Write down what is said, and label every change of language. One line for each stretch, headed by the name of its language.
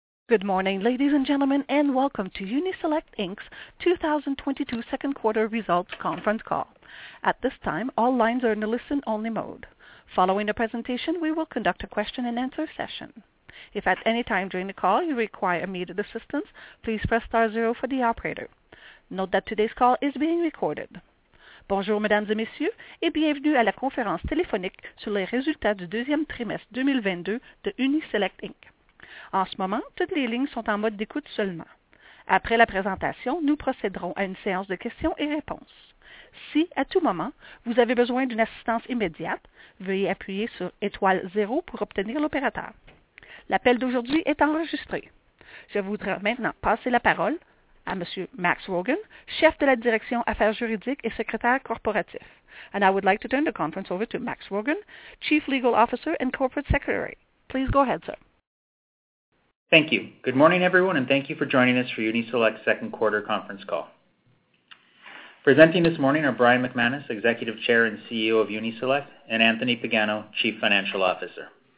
English: Good morning, ladies and gentlemen, and welcome to Uni-Select Inc.'s 2022 second quarter results conference call. At this time, all lines are in a listen-only mode. Following the presentation, we will conduct a question-and-answer session. If at any time during the call you require immediate assistance, please press star zero for the operator. Note that today's call is being recorded.
French: Bonjour, mesdames et messieurs, et bienvenue à la conférence téléphonique sur les résultats du deuxième trimestre 2022 de Uni-Select Inc. En ce moment, toutes les lignes sont en mode d'écoute seulement. Après la présentation, nous procéderons à une séance de questions et réponses. Si, à tout moment, vous avez besoin d'une assistance immédiate, veuillez appuyer sur étoile zéro pour obtenir l'opérateur. L'appel d'aujourd'hui est enregistré. Je voudrais maintenant passer la parole à Monsieur Max Rogan, chef de la direction affaires juridiques et secrétaire corporatif.
English: And I would like to turn the conference over to Max Rogan, Chief Legal Officer and Corporate Secretary. Please go ahead, sir. Thank you. Good morning, everyone, and thank you for joining us for Uni-Select's second quarter conference call. Presenting this morning are Brian McManus, Executive Chair and CEO of Uni-Select, and Anthony Pagano, Chief Financial Officer.